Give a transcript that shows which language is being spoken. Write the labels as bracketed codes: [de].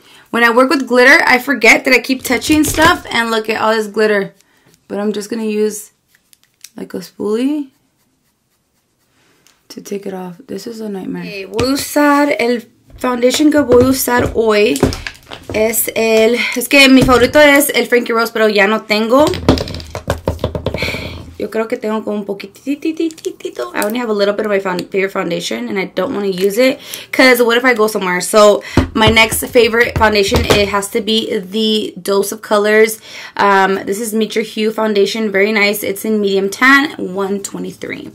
[en] When I work with glitter, I forget that I keep touching stuff and look at all this glitter. But I'm just gonna use like a spoolie to take it off. This is a nightmare. Okay, [es] voy a usar el foundation que voy a usar hoy. Es que mi favorito es el Frankie Rose, pero ya no tengo. Yo creo que tengo como un poquitito. [en] I only have a little bit of my favorite foundation and I don't want to use it. Because what if I go somewhere? So my next favorite foundation, it has to be the Dose of Colors. This is Meet Your Hue Foundation. Very nice. It's in medium tan, 123.